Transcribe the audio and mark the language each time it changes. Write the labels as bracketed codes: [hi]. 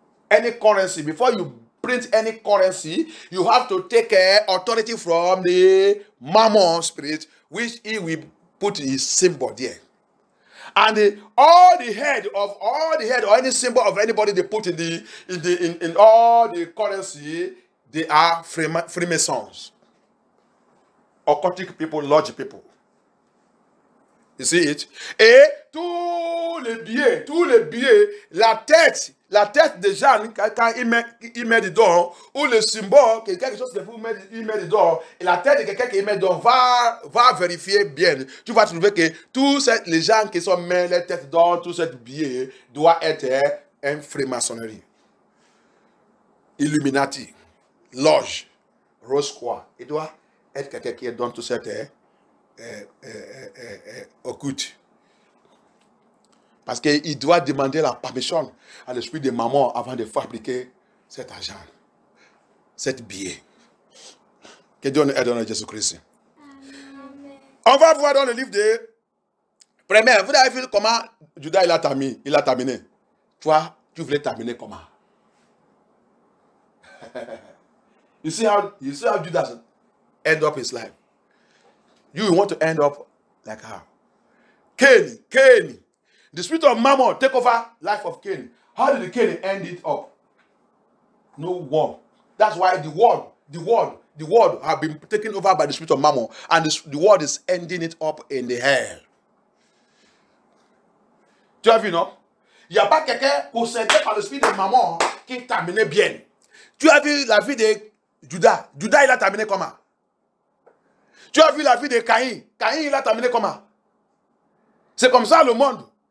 [en] Any currency, before you print any currency, you have to take authority from the Mammon spirit, which he will put his symbol there. And all the head or any symbol of anybody they put in all the currency, they are Freemasons, occultic people, lodge people. You see it? [fr] Et tous les billets, la tête des gens, quand il met dedans, ou le symbole, quelque chose que vous mettez, il met dedans, et la tête de quelqu'un qui met dedans, va vérifier bien. Tu vas trouver que tous les gens qui sont mis les têtes dedans, tout ce billet, doit être un franc-maçonnerie. Illuminati, loge, rose croix, il doit être quelqu'un qui est dans tout ce occulte. Parce qu'il doit demander la permission à l'esprit de Mammon avant de fabriquer cet argent, cet billet. Que Dieu nous aide dans Jésus-Christ. Amen. On va voir dans le livre de Première. Vous avez vu comment Judas il a terminé. Toi, tu voulais terminer comment? [en] You see how Judas end up his life. You want to end up like her. Cain. The spirit of Mammon take over life of Cain. How did Cain end it up? No war. That's why the world have been taken over by the spirit of Mammon. And the world is ending it up in the hell. [fr] Tu as vu, non? Il n'y a pas quelqu'un possédé par le spirit de Mammon qui terminait bien. Tu as vu la vie de Judas? Judas, il a terminé comment? Tu as vu la vie de Caïn? Caïn, il a terminé comment? C'est comme ça le monde.